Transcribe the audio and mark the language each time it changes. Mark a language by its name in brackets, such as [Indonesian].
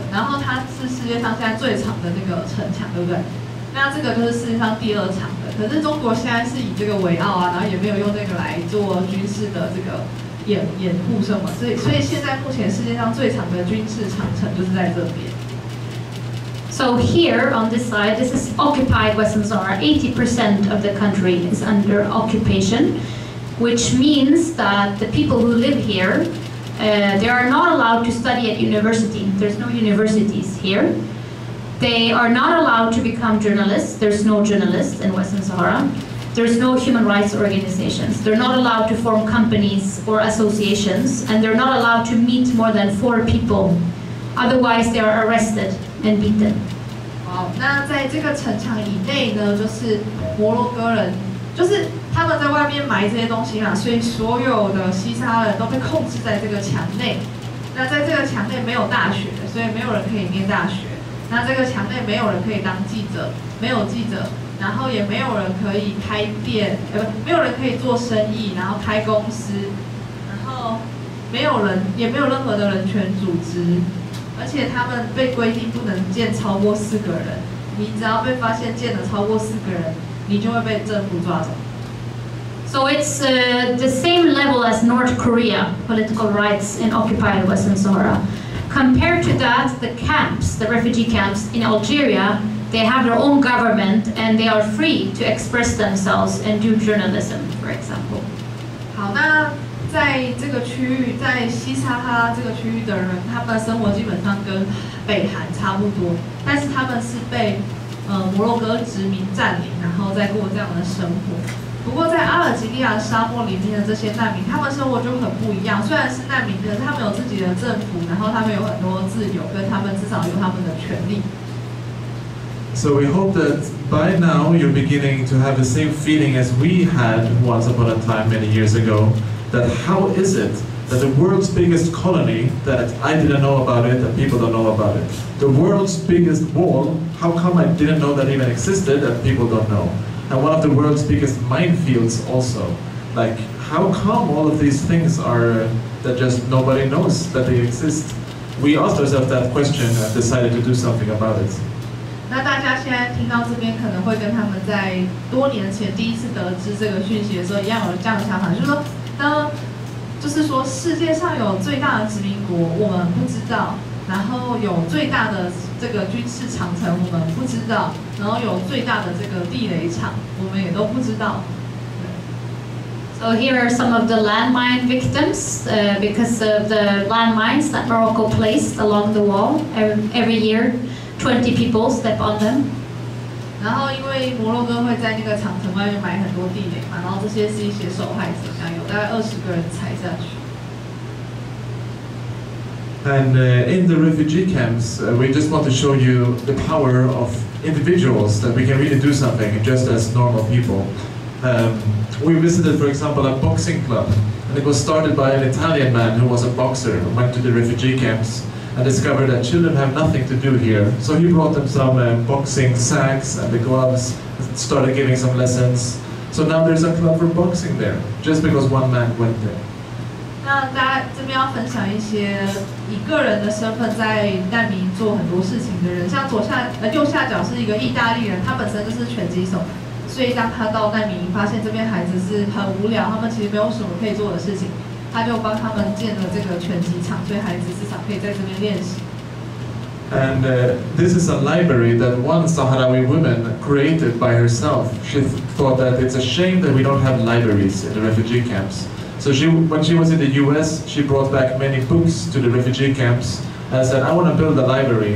[Chinese] 然后它是世界上现在最长的那个城墙，对不对？那这个就是世界上第二长的。可是中国现在是以这个为傲啊，然后也没有用那个来做军事的这个掩护什么，所以现在目前世界上最长的军事长城就是在这边。 [English] So here on this side, this is occupied Western Sahara. 80% of the country is under occupation. Which means that the people who live here, they are not allowed to study at university. There's no universities here. They are not allowed to become journalists. There's no journalists in Western Sahara. There's no human rights organizations. They're not allowed to form companies or associations, and they're not allowed to meet more than 4 people. Otherwise, they are arrested and beaten. [Chinese] 好，那在这个城墙以内呢，就是摩洛哥人，就是。他们在外面埋这些东西嘛，所以所有的西撒哈拉人都被控制在这个墙内。那在这个墙内没有大学，所以没有人可以念大学。然那这个墙内没有人可以当记者，没有记者，然后也没有人可以开店，没有人可以做生意，然后开公司，然后没有人，也没有任何的人权组织，而且他们被规定不能见超过四个人，你只要被发现见了超过四个人，你就会被政府抓走。 [English] So it's the same level as North Korea, political rights in occupied Western Sahara. Compared to that, the camps, the refugee camps in Algeria, they have their own government and they are free to express themselves and do journalism, for example. [Chinese] 好，那在这个区域，在西撒哈拉这个区域的人，他们生活基本上跟北韩差不多，但是他们是被摩洛哥殖民占领，然后再过这样的生活。不过在阿尔及利亚沙漠里面的这些难民，他们生活就很不一样。虽然是难民，可是他们有自己的政府，然后他们有很多自由，跟他们至少有他们的权利。 [English] So we hope that by now you're beginning to have the same feeling as we had once upon a time many years ago. That how is it that the world's biggest colony that I didn't know about it, that people don't know about it, the world's biggest wall, how come I didn't know that even existed, that people don't know? And one of the world's biggest minefields also. Like, how come all of these things are that just nobody knows that they exist? We asked ourselves that question and decided to do something about it. [Chinese] 那大家现在听到这边可能会跟他们在多年前第一次得知这个讯息的时候一样有这样的想法，就是说，就是说世界上有最大的殖民国，我们不知道。然后有最大的这个军事长城，我们不知道。然后有最大的这个地雷场，我们也都不知道。 [English] So here are some of the landmine victims, because of the landmines that Morocco placed along the wall. Every year, 20 people step on them. [Chinese] 然后因为摩洛哥会在那个长城外面埋很多地雷嘛，然后这些是一些受害者，像有大概20个人踩下去。 [English] And in the refugee camps, we just want to show you the power of individuals that we can really do something just as normal people. We visited, for example, a boxing club, and it was started by an Italian man who was a boxer who went to the refugee camps and discovered that children have nothing to do here. So he brought them some boxing sacks and the gloves, started giving some lessons. So now there's a club for boxing there, just because one man went there. [Chinese] 那大家这边要分享一些以个人的身份在难民做很多事情的人，像右下角是一个意大利人，他本身就是拳击手，所以当他到难民营发现这边孩子是很无聊，他们其实没有什么可以做的事情，他就帮他们建了这个拳击场，所以孩子至少可以在这边练习。 [English] And this is a library that one Sahrawi woman created by herself. She thought that it's a shame that we don't have libraries in the refugee camps. So she, when she was in the US, she brought back many books to the refugee camps and said, I want to build a library.